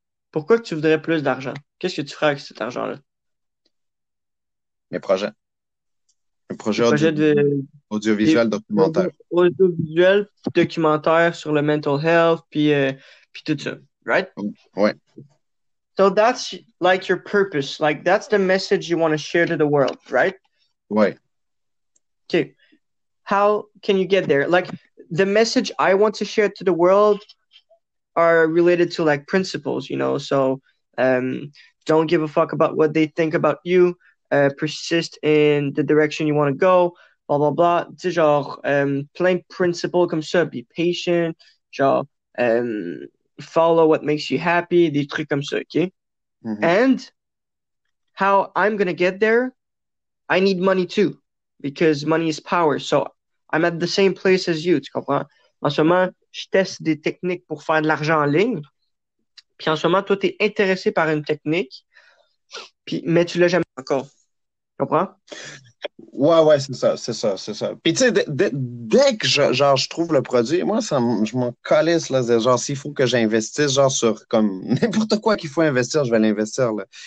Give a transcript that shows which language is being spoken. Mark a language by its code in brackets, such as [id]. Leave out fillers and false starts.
[fr] Pourquoi que tu voudrais plus d'argent? Qu'est-ce que tu ferais avec cet argent-là? Mes projets. Un Des projet projets de audiovisuel documentaire. audiovisuels, documentaires sur le mental health, puis tout ça, right? Ouais. [en] That's like your purpose, like that's the message you want to share to the world, right? [fr] Ouais. [en] Okay, how can you get there? Like the message I want to share to the world are related to like principles, you know. So don't give a fuck about what they think about you. persist in the direction you want to go, blah blah blah. [fr] C'est genre plein principle comme ça, [en] be patient, [fr] genre [en] follow what makes you happy, [fr] des trucs comme ça, okay? [en] And how I'm gonna get there, I need money too, because money is power. So I'm at the same place as you, [fr] tu comprends? En ce moment, je teste des techniques pour faire de l'argent en ligne. Puis en ce moment, toi, t'es intéressé par une technique, puis mais tu l'as jamais encore. Tu comprends? Ouais, c'est ça, c'est ça, c'est ça. Puis tu sais, dès que genre je trouve le produit, moi ça je m'en calisse là, genre s'il faut que j'investisse genre sur comme n'importe quoi qu'il faut investir, je vais l'investir là.